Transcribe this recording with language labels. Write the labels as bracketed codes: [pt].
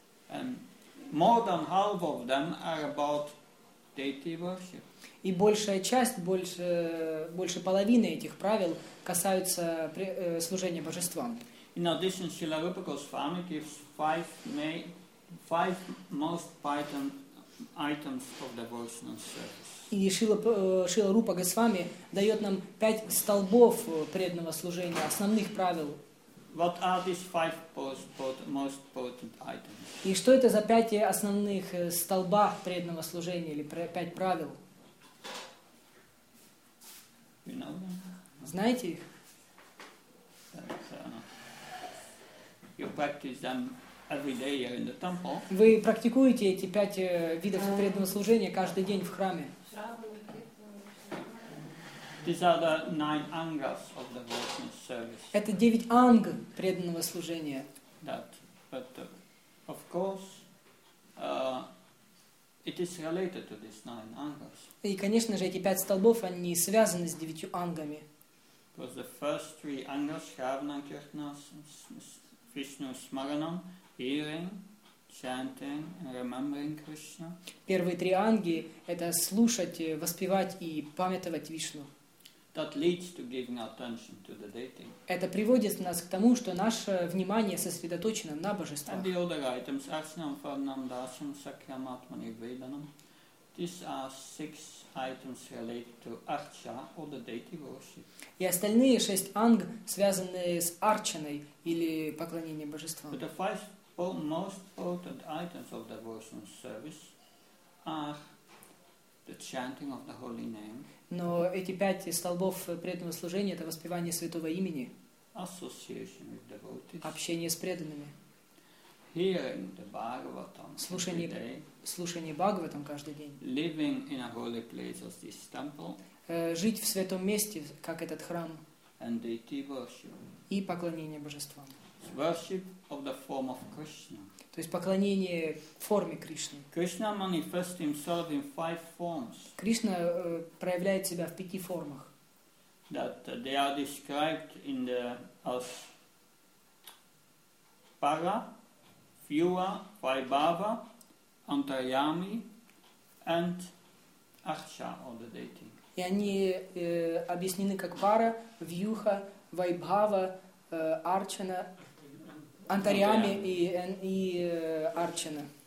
[en] And more than half of them are about deity worship. [ru] И большая часть, больше половины этих правил касаются служения божествам. [en] In addition, Srila Rupa Goswami gives five most potent items of devotional service. [ru] И Шрила Рупа Госвами дает нам 5 столбов преданного служения, основных правил. [en] What are these five most potent items? [ru] И что это за 5 основных столба преданного служения или 5 правил? [en] You know them? [ru] Знаете их? [en] You practice them every day here in the temple. [ru] Вы практикуете эти 5 видов преданного служения каждый день в храме. [en] These are the 9 angas of the devotional service. [ru] Это 9 анг преданного служения. [en] That, but of course, it is related to these 9 angas. [ru] И, конечно же, эти 5 столбов, они связаны с 9 ангами. [en] Because the first 3 angas, Shravana, Kirtana, Vishnu, Smaranam, hearing, chanting, and remembering Krishna. [ru] Первые 3 анги — это слушать, воспевать и памятовать Вишну. [en] That leads to giving attention to the deity. [ru] Это приводит нас к тому, что наше внимание сосредоточено на божествах. [en] And the other items, Arsinam, Farnam, Dasam, Sakyam, Atman, Ivedanam, These are six items related to archa or the deity worship. [ru] И остальные шесть анг связаны с арчаной или поклонением божествам. [en] But the five most important items of devotion service are the chanting of the holy name. [ru] Но эти пять столбов преданного служения — это воспевание святого имени. [en] Association with devotees. [ru] Общение с преданными. [en] Hearing the Bhagavatam. [ru] Слушание Бхагаватам каждый день. [en] Living in a holy place as this temple. [ru] Жить в святом месте, как этот храм. [en] And deity worship. [ru] И поклонение божествам. [en] Worship of the form of Krishna. [ru] То есть поклонение форме Кришны. [en] Krishna manifests himself in five forms. [ru] Кришна проявляет себя в пяти формах. [en] That they are described in the as Para, Vyua, Vaibhava, Antaryami, and Archa, or the deity. [ru] И они объяснены как Пара, Вьюха, Вайбхава, Арчана, Антаряме и Арчана.